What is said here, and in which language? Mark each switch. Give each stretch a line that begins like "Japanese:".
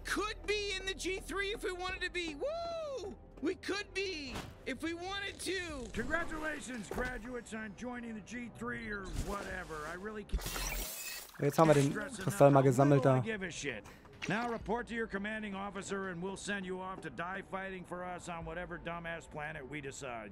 English: could be in the G3 if we wanted to be. Woo! We could be if we wanted to. Congratulations, graduates, on joining the G3 or whatever. I really can't.
German: Jetzt haben wir den Kristall mal gesammelt da.
English: Now report to your commanding officer and we'll send you off to die fighting for us on whatever dumbass planet we decide.